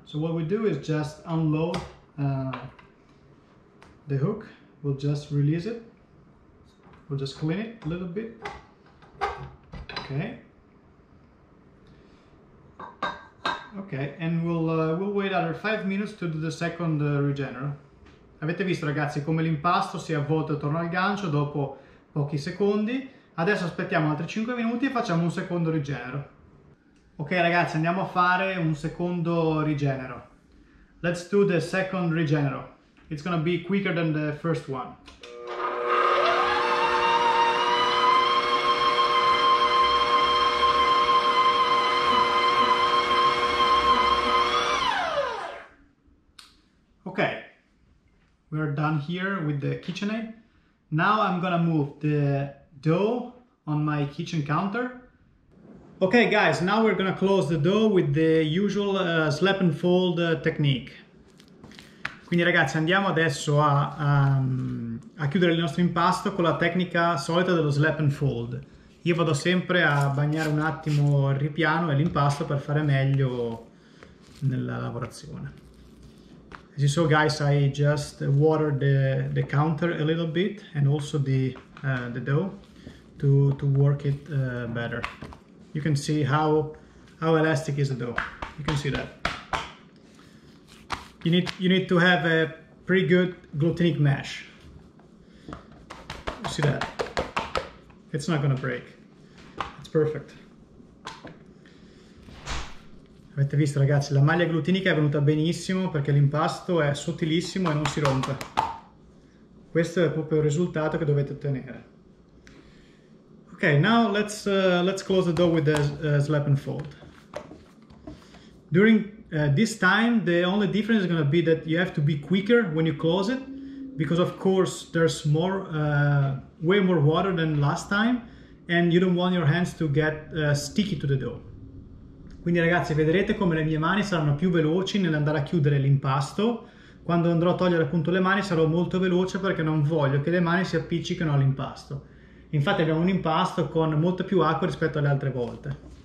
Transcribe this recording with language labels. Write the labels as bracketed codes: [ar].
[en] So what we do is just unload the hook. We'll just release it. We'll just clean it a little bit. Okay. Okay, and we'll wait another 5 minutes to do the second regenero. [it] Avete visto, ragazzi, come l'impasto si è avvolto attorno al gancio dopo pochi secondi. Adesso aspettiamo altri 5 minuti e facciamo un secondo rigenero. Ok, ragazzi, andiamo a fare un secondo rigenero. [en] Let's do the second rigenero. It's gonna be quicker than the first one. Ok, we're done here with the KitchenAid. Now I'm gonna move the dough on my kitchen counter. Okay, guys, now we're gonna close the dough with the usual slap and fold technique. [it] Quindi, ragazzi, andiamo adesso a chiudere il nostro impasto con la tecnica solita dello slap and fold. Io vado sempre a bagnare un attimo il ripiano e l'impasto per fare meglio nella lavorazione. [en] As you saw, guys, I just watered the counter a little bit and also the dough to work it better. You can see how elastic is the dough. You can see that. You need to have a pretty good glutinic mesh. You see that? It's not gonna break. It's perfect. [it] Avete visto, ragazzi, la maglia glutinica è venuta benissimo perché l'impasto è sottilissimo e non si rompe. Questo è proprio il risultato che dovete ottenere. [en] Ok, now let's close the dough with the slap and fold. This time, the only difference is going to be that you have to be quicker when you close it, because of course there's more, way more water than last time, and you don't want your hands to get sticky to the dough. [it] Quindi ragazzi, vedrete come le mie mani saranno più veloci nell'andare a chiudere l'impasto. Quando andrò a togliere appunto le mani sarò molto veloce, perché non voglio che le mani si appiccichino all'impasto. Infatti abbiamo un impasto con molto più acqua rispetto alle altre volte.